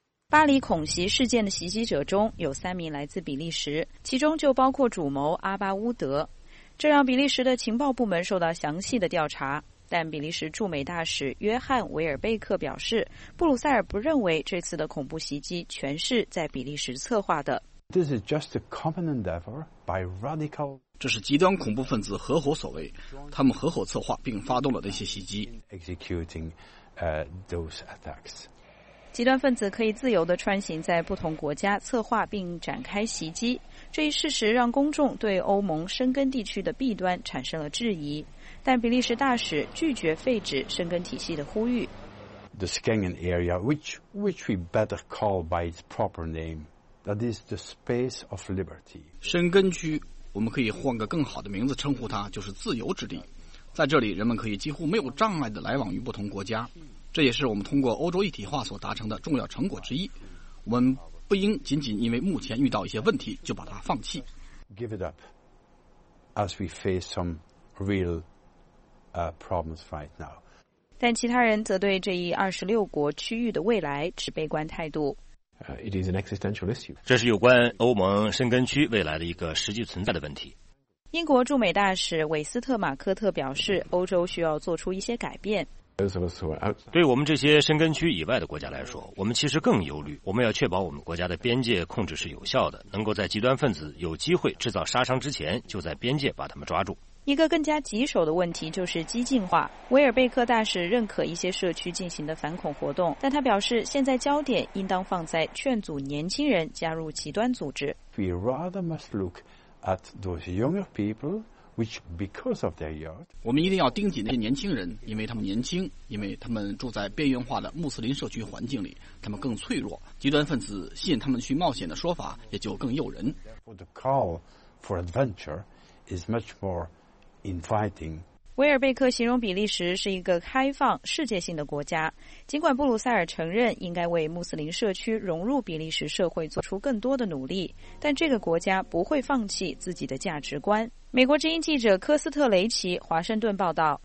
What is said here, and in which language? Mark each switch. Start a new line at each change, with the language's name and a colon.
Chinese: 巴黎恐袭事件的袭击者中有3名来自比利时，其中就包括主谋阿巴乌德，这让比利时的情报部门受到详细的调查。但比利时驻美大使约翰·维尔贝克表示，布鲁塞尔不认为这次的恐怖袭击全是在比利时策划的。
English: This is just a common endeavor by radical.
Chinese: 这是极端恐怖分子合伙所为，他们合伙策划并发动了那些袭击。
English: Executing, those attacks.
Chinese: 极端分子可以自由地穿行在不同国家，策划并展开袭击。这一事实让公众对欧盟申根地区的弊端产生了质疑。但比利时大使拒绝废止申根体系的呼吁。
English: The Schengen area, which we better call by its proper name. That is the space of liberty.
Chinese: 申根区，我们可以换个更好的名字称呼它，就是自由之地。在这里，人们可以几乎没有障碍地来往于不同国家，这也是我们通过欧洲一体化所达成的重要成果之一。我们不应仅仅因为目前遇到一些问题就把它放弃。
English: Give it up as we face some real problems right now.
Chinese: 但其他人则对这一26国区域的未来持悲观态度。
English: It is an existential issue.
Chinese: 这是有关欧盟申根区未来的一个实际存在的问题。英国驻美大使韦斯特马科特表示，欧洲需要做出一些改变。对我们这些申根区以外的国家来说，我们其实更忧虑。我们要确保我们国家的边界控制是有效的，能够在极端分子有机会制造杀伤之前，就在边界把他们抓住。一个更加棘手的问题就是激进化。维尔贝克大使认可一些社区进行的反恐活动，但他表示现在焦点应当放在劝阻年轻人加入极端组织。
English: We rather must look at those younger people which because of their youth.
Chinese: 我们一定要盯紧那些年轻人，因为他们年轻，因为他们住在边缘化的穆斯林社区环境里，他们更脆弱。极端分子吸引他们去冒险的说法也就更诱人。
English: The call for adventure is much more. Inviting.
Chinese: 威尔贝克形容比利时是一个开放世界性的国家，尽管布鲁塞尔承认应该为穆斯林社区融入比利时社会做出更多的努力，但这个国家不会放弃自己的价值观。美国之音记者科斯特雷奇华盛顿报道。